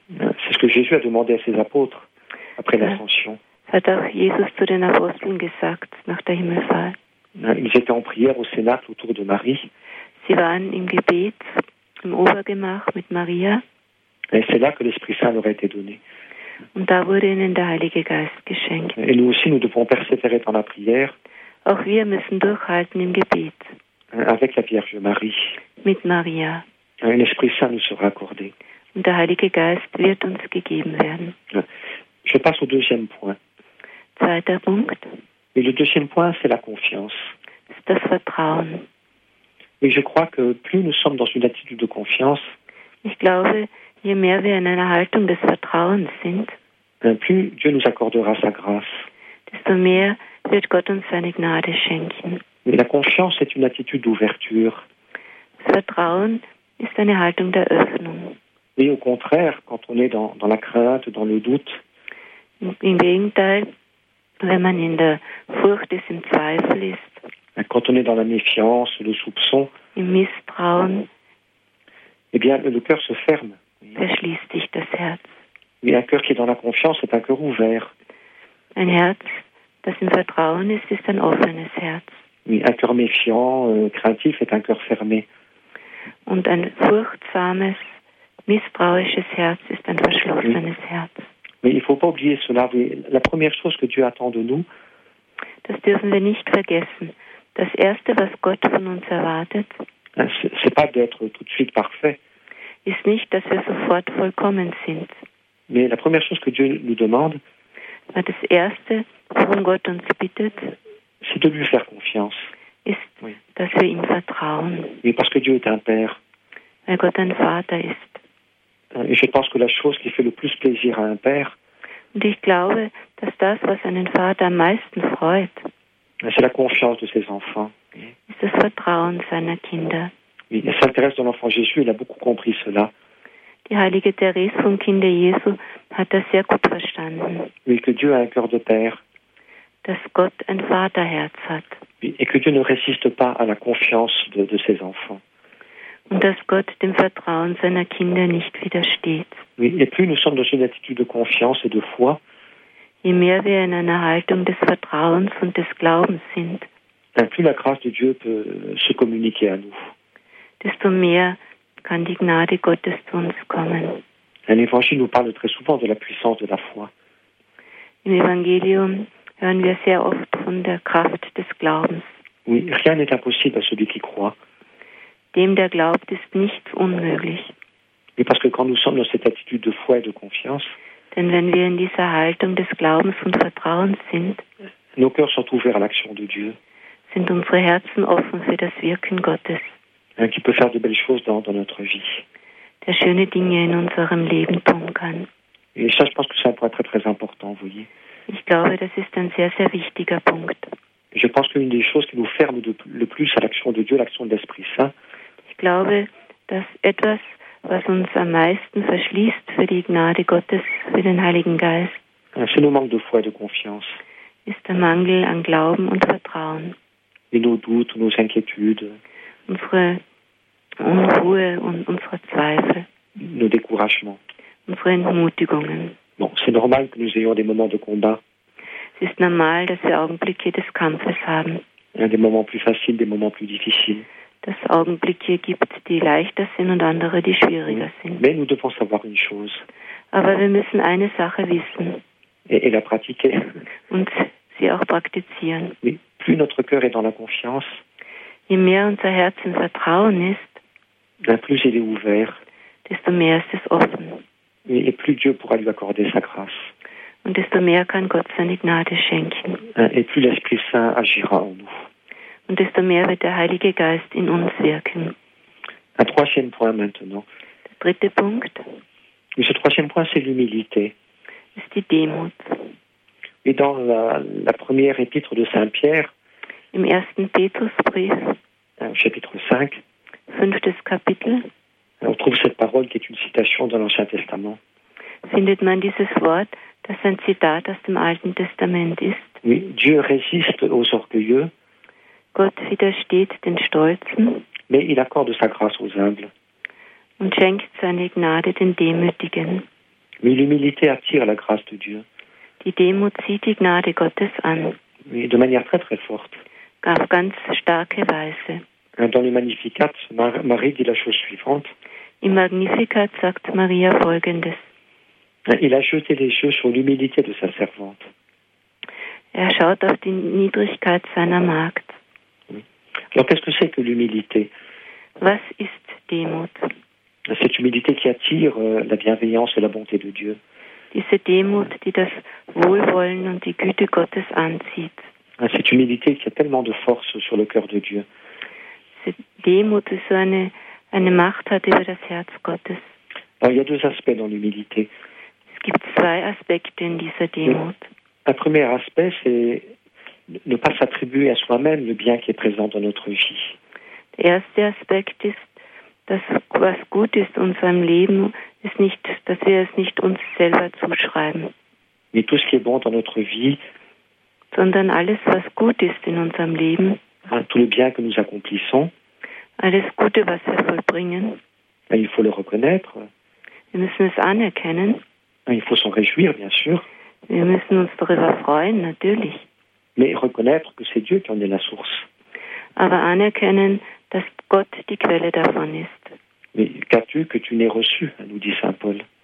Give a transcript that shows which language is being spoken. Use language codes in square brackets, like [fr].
[fr] C'est ce que Jésus a demandé à ses apôtres après l'Ascension. [de] Hat auch Jesus zu den Aposteln gesagt nach der Himmelfahrt. [fr] Ils étaient en prière au Cénacle autour de Marie. [de] Sie waren im Gebet im Obergemach mit Maria. [fr] Et c'est là que l'Esprit Saint leur a été donné. [de] Und da wurde ihnen der Heilige Geist geschenkt. [fr] Et nous aussi nous devons persévérer dans la prière. [de] Auch wir müssen durchhalten im Gebet. [fr] Avec la Vierge Marie. [de] Mit Maria. [fr] Et l'Esprit Saint nous sera accordé. [de] Und der Heilige Geist wird uns gegeben werden. [fr] Je passe au deuxième point. [de] Zweiter Punkt. [fr] Et le deuxième point, c'est la confiance. C'est [de] das Vertrauen. [fr] Et je crois que plus nous sommes dans une attitude de confiance, [de] ich glaube, je mehr wir in einer Haltung des Vertrauens sind, [fr] plus Dieu nous accordera sa grâce. [de] Desto mehr wird Gott uns seine Gnade schenken. [fr] Et la confiance est une attitude d'ouverture. [de] Vertrauen ist eine Haltung der Öffnung. [fr] Et au contraire, quand on est dans la crainte, dans le doute, [de] im Gegenteil, wenn man in der Furcht ist, im Zweifel ist, [fr] quand on est dans la méfiance, le soupçon, [de] im Misstrauen, [fr] eh bien, le cœur se ferme. [de] Verschließt sich das Herz. [fr] Et un cœur qui est dans la confiance est un cœur ouvert. [de] Ein Herz, das im Vertrauen ist, ist ein offenes Herz. [fr] Oui, un cœur méfiant, craintif est un cœur fermé. [de] Und ein furchtsames, misstrauisches Herz ist ein verschlossenes Herz. [fr] Mais il ne faut pas oublier cela. La première chose que Dieu attend de nous, [de] das dürfen wir nicht vergessen. Das Erste, was Gott von uns erwartet, [fr] c'est pas d'être tout de suite parfait, [de] ist nicht, dass wir sofort vollkommen sind. [fr] Mais la première chose que Dieu nous demande, [de] das Erste, worum Gott uns bittet, [fr] c'est de lui faire confiance. [de] Ist, [fr] oui. [de] Dass wir ihm vertrauen. [fr] Mais parce que Dieu est un Père. [de] Weil Gott ein Vater ist. [fr] Et je pense que la chose qui fait le plus plaisir à un père, [de] und ich glaube, dass das, was einen Vater am meisten freut, [fr] c'est la confiance de ses enfants. [de] Ist das Vertrauen seiner Kinder. [fr] Oui, il s'intéresse à l'enfant Jésus, il a beaucoup compris cela. [de] Die heilige Therese vom Kinde Jesu hat das sehr gut verstanden. [fr] Oui, que Dieu a un cœur de père. [de] Dass Gott ein Vaterherz hat. [fr] Oui, et que Dieu ne résiste pas à la confiance de ses enfants. [de] Und dass Gott dem Vertrauen seiner Kinder nicht widersteht. [fr] Oui, et plus nous sommes dans une attitude de confiance et de foi, [de] je mehr wir in einer Haltung des Vertrauens und des Glaubens sind, [fr] plus la grâce de Dieu peut se communiquer à nous. [de] Desto mehr kann die Gnade Gottes zu uns kommen. [fr] L'Évangile nous parle très souvent de la puissance de la foi. [de] Im Evangelium hören wir sehr oft von der Kraft des Glaubens. [fr] Oui, rien n'est impossible à celui qui croit. [de] Dem, der glaubt, ist nichts unmöglich. [fr] Et parce que quand nous sommes dans cette attitude de foi et de confiance, [de] denn wenn wir in dieser Haltung des Glaubens und Vertrauens sind, [fr] nos cœurs sont ouverts à l'action de Dieu, [de] sind unsere Herzen offen für das Wirken Gottes, [fr] qui peut faire de belles choses dans notre vie, [de] der schöne Dinge in unserem Leben tun kann. [fr] Et ça, je pense que c'est un point très très important, vous voyez. [de] Ich glaube, das ist ein sehr, sehr wichtiger Punkt. [fr] Je pense que l'une des choses qui nous ferme le plus à l'action de Dieu, l'action de l'Esprit Saint, [de] ich glaube, dass etwas, was uns am meisten verschließt für die Gnade Gottes, für den Heiligen Geist, [fr] c'est nos manques de foi et de confiance. [de] Ist der Mangel an Glauben und Vertrauen. [fr] Et nos doutes, nos inquiétudes. [de] Unsere Unruhe und unsere Zweifel. [fr] Nos découragements. [de] Unsere Entmutigungen. [fr] Bon, c'est normal que nous ayons des moments de combat. [de] Es ist normal, dass wir Augenblicke des Kampfes haben. [fr] Des moments plus faciles, des moments plus difficiles. [de] Dass es Augenblicke gibt, die leichter sind und andere, die schwieriger sind. [fr] Mais nous devons savoir une chose. [de] Aber wir müssen eine Sache wissen. [fr] Et la pratiquer. [de] Und sie auch praktizieren. [fr] Oui. Plus notre cœur est dans la confiance, [de] je mehr unser Herz im Vertrauen ist, [fr] plus il est ouvert, [de] desto mehr ist es offen. [fr] Et plus Dieu pourra lui accorder sa grâce. [de] Und desto mehr kann Gott seine Gnade schenken. [fr] Et plus l'Esprit Saint agira en nous. [de] Und desto mehr wird der Heilige Geist in uns wirken. [fr] Un troisième point maintenant. [de] Der dritte Punkt. [fr] Et ce troisième point, c'est l'humilité. [de] Ist die Demut. [fr] Et dans la première épître de Saint Pierre. [de] Im ersten Petrusbrief. [fr] Chapitre 5. [de] Fünftes Kapitel. [fr] On trouve cette parole qui est une citation dans l'Ancien Testament. [de] Findet man dieses Wort, das ein Zitat aus dem Alten Testament ist? [fr] Oui, Dieu résiste aux orgueilleux. [de] Gott widersteht den Stolzen. [fr] Mais il accorde sa grâce aux humbles. [de] Und schenkt seine Gnade den Demütigen. [fr] Mais l'humilité attire la grâce de Dieu. [de] Die Demut zieht die Gnade Gottes an. [fr] Oui, de manière très très forte. [de] Auf ganz starke Weise. [fr] Dans le Magnificat, Marie dit la chose suivante. [de] Im Magnificat sagt Maria Folgendes. [fr] Il a jeté les yeux sur l'humilité de sa servante. [de] Er schaut auf die Niedrigkeit seiner Magd. [fr] Alors qu'est-ce que c'est que l'humilité? [de] Was ist Demut? [fr] Cette humilité qui attire la bienveillance et la bonté de Dieu. [de] Diese Demut, die das Wohlwollen und die Güte Gottes anzieht. [fr] Cette humilité qui a tellement de force sur le cœur de Dieu. Cette [de] Demut, die so eine Macht hat über das Herz Gottes. [fr] Alors, il y a deux aspects dans l'humilité. [de] Es gibt zwei Aspekte in dieser Demut. [fr] Un premier aspect, c'est ne pas s'attribuer à soi-même le bien qui est présent dans notre vie. [de] Der erste Aspekt ist, dass was gut ist in unserem Leben, ist nicht, dass wir es nicht uns selber zuschreiben. [fr] Mais tout ce qui est bon dans notre vie, [de] sondern alles, was gut ist in unserem Leben, [fr] tout le bien que nous accomplissons, [de] alles Gute, was wir vollbringen, [fr] il faut le reconnaître. [de] Wir müssen es anerkennen. [fr] Il faut s'en réjouir, bien sûr. [de] Wir müssen uns darüber freuen, natürlich. [fr] Mais reconnaître que c'est Dieu qui en est la source. [de] Aber anerkennen, dass Gott die Quelle davon ist. [fr] Mais qu'as-tu que tu n'aies reçu, nous dit Saint Paul.